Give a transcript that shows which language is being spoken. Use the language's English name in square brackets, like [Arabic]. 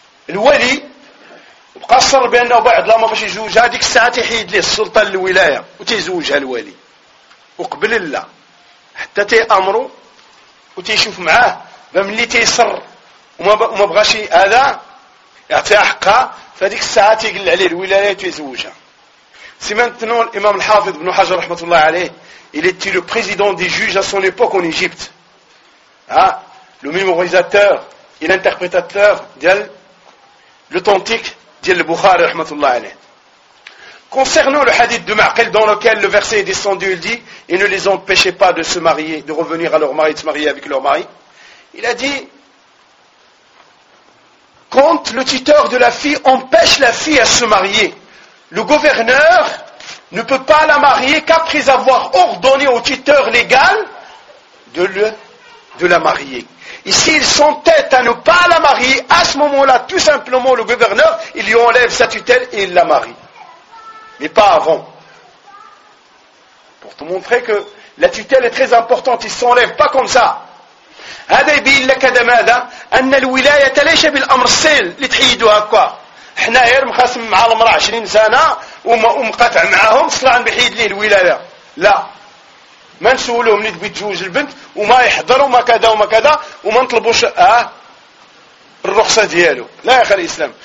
[Arabic] الولي وقصر بانه بعد لا ما باش يزوجها ديك الساعه تحيد ليه السلطان الولايه وتزوجها الوالي وقبل الله حتى تيأمره وتيشوف معاه بمن اللي تيصر وما بغاش هذا يعطيها حقها فهذيك الساعة تيقل عليه الولاية تيزوجها. سيمانتنو الإمام الحافظ بن حجر رحمة الله عليه [French] il était le président des juges à son époque en Égypte. Ah, le mémorisateur et l'interprétateur ديال l'authentique [Arabic] ديال البخاري رحمة الله عليه. [French] Concernant le hadith de Ma'qil, dans lequel le verset est descendu, il dit, « Et ne les empêchez pas de se marier, de revenir à leur mari, de se marier avec leur mari. » Il a dit, « Quand le tuteur de la fille empêche la fille à se marier, le gouverneur ne peut pas la marier qu'après avoir ordonné au tuteur légal de la marier. » Et s'il s'entête à ne pas la marier, à ce moment-là, tout simplement, le gouverneur, il lui enlève sa tutelle et il la marie. Mais pas avant. Pour te montrer que la tutelle est très importante, il ne s'enlève pas comme ça. [Arabic] هذا يبين لك هذا ماذا؟ أن الولاية ليس بالأمر السهل اللي تحيدوا هكا. حنا غير مخاصم مع المرأة 20 سنة ومقاطع معاهم صلاح بحيد ليه الولاية. لا. ما نسولوهم اللي تبي تجوز البنت وما يحضر وما كذا وما كذا وما نطلبوش الرخصة ديالو. لا يا أخي الإسلام.